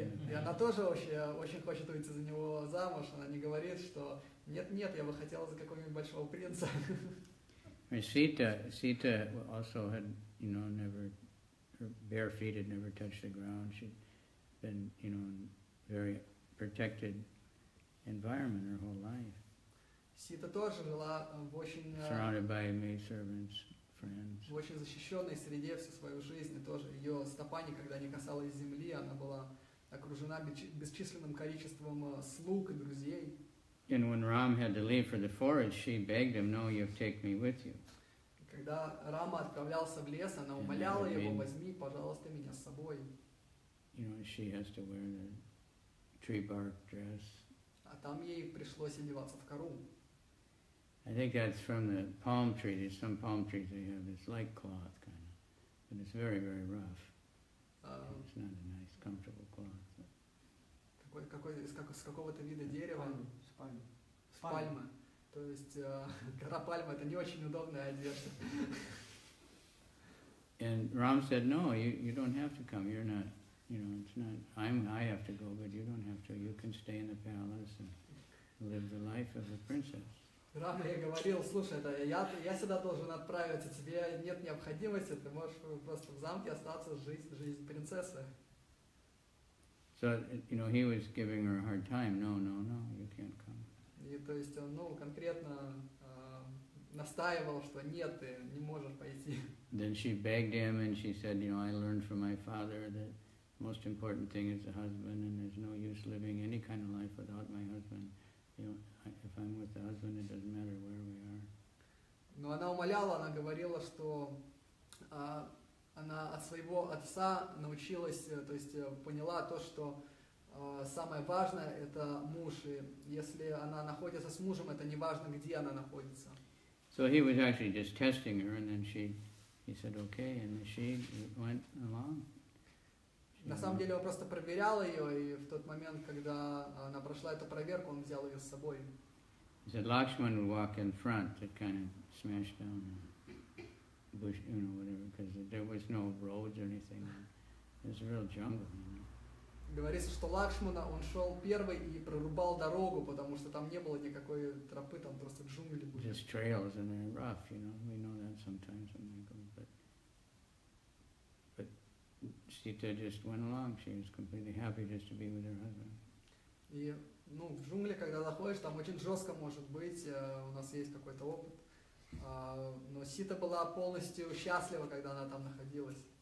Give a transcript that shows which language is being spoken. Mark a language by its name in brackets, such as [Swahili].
[Russian] И она тоже очень хочет выйти за него замуж. Она не говорит, что нет, я бы хотела за какого-нибудь большого принца. [English] Sita also had, you know, never, her bare feet had never touched the ground. She'd been, you know, in a very protected environment her whole life. [Russian] Sita тоже жила в очень... [English] Surrounded by maidservants, friends. [Russian] В очень защищенной среде всю свою жизнь. Тоже ее стопа никогда не касалась земли. Она была окружена бесчисленным количеством слуг и друзей. [English] And when Ram had to leave for the forest, she begged him, no, you've taken me with you. [Russian] Когда Рама отправлялся в лес, она умоляла его, возьми, пожалуйста, меня с собой. [English] You know, she has to wear the tree bark dress. [Russian] А там ей пришлось одеваться в кору. [English] I think that's from the palm tree. There's some palm trees they have this light cloth kind of, but it's very, very rough. It's not a nice, comfortable cloth. [Russian] Какой, с какого-то вида дерева? С пальмы. То есть гора пальма это не очень удобная одежда. [English] And Ram said, no, you don't have to come. You're not, you know, it's not. I have to go, but you don't have to. You can stay in the palace and live the life of a princess. [Russian] Рама ей говорил, слушай, это я сюда должен отправиться, тебе нет необходимости, ты можешь просто в замке остаться жизнь принцессы. [English] So, you know, he was giving her a hard time. No, you can't come. [Russian] И то есть он, ну, конкретно настаивал, что нет, ты не можешь пойти. [English] Then she begged him and she said, you know, I learned from my father that the most important thing is a husband and there's no use living any kind of life without my husband. You know, if I'm with the husband, it doesn't matter where we are. [Russian] Но она умоляла, она говорила, что она от своего отца научилась, то есть поняла то, что самое важное – это муж. И если она находится с мужем, это не важно, где она находится. [English] So he was actually just testing her, and then he said, okay, and she went along. [Russian] На самом деле, он просто проверял ее, и в тот момент, когда она прошла эту проверку, он взял ее с собой. [English] He said, Lakshman would walk in front, that kind of smashed down the bush, you know, whatever, because there was no roads or anything. It was a real jungle, you know. [Russian] Говорится, что Лакшмана, он шел первый и прорубал дорогу, потому что там не было никакой тропы, там просто джунгли были. [English] Just trails, and they're rough, you know, we know that sometimes when they go, but... Sita just went along. She was completely happy just to be with her husband. [Russian] И, ну, в джунгли, когда заходишь, там очень жестко может быть. У нас есть какой-то опыт. Но Сита была полностью счастлива, когда она там находилась.